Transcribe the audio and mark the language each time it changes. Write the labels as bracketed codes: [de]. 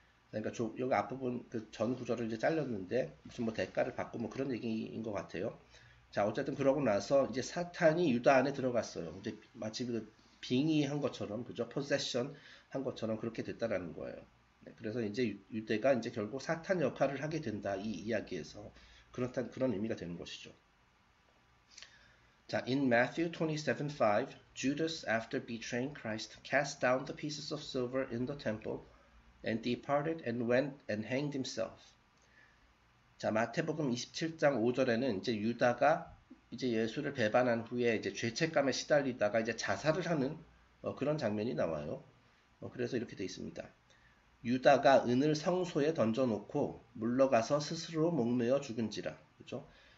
[ko] 그러니까 여기 앞부분 그 전 구절을 이제 잘렸는데 무슨 뭐 대가를 받고 뭐 그런 얘기인 것 같아요. 자, 어쨌든 그러고 나서 이제 사탄이 유다 안에 들어갔어요. 이제 마치 그 빙의한 것처럼, 그죠? 포세션 한 것처럼 그렇게 됐다라는 거예요. 네, 그래서 이제 유대가 이제 결국 사탄 역할을 하게 된다, 이 이야기에서. 그런 의미가 되는 것이죠. [en] 자, in Matthew 27:5, Judas, after betraying Christ, cast down the pieces of silver in the temple and departed and went and hanged himself. [ko] 자, 마태복음 27장 5절에는 이제 유다가 이제 예수를 배반한 후에 이제 죄책감에 시달리다가 이제 자살을 하는 그런 장면이 나와요. 그래서 이렇게 돼 있습니다. 유다가 은을 성소에 던져놓고 물러가서 스스로 목매어 죽은지라. 그죠?